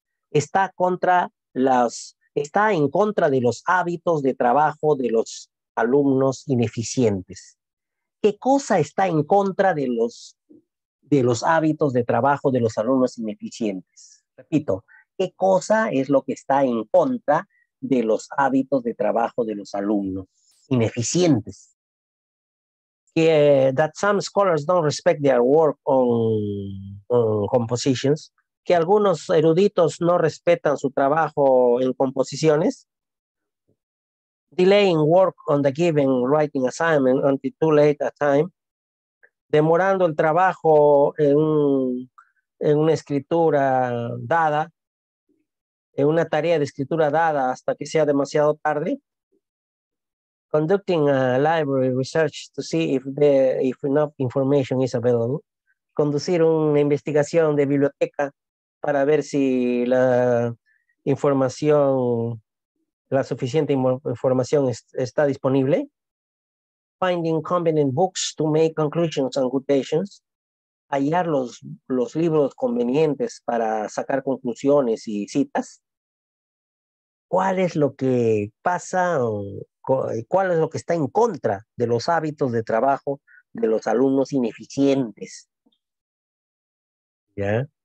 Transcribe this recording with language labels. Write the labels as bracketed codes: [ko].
[es] Está en contra de los hábitos de trabajo de los alumnos ineficientes. ¿Qué cosa está en contra de los hábitos de trabajo de los alumnos ineficientes? Repito, ¿qué cosa es lo que está en contra de los hábitos de trabajo de los alumnos ineficientes? [en] That some scholars don't respect their work on compositions. [es] Que algunos eruditos no respetan su trabajo en composiciones. [en] Delaying work on the given writing assignment until too late a time. [es] Demorando el trabajo en una escritura dada, en una tarea de escritura dada hasta que sea demasiado tarde. [en] Conducting a library research to see if enough information is available. [es] Conducir una investigación de biblioteca para ver si la suficiente información está disponible. [en] Finding convenient books to make conclusions and quotations. [es] Hallar los libros convenientes para sacar conclusiones y citas. ¿Cuál es lo que pasa? ¿Cuál es lo que está en contra de los hábitos de trabajo de los alumnos ineficientes? ¿Ya?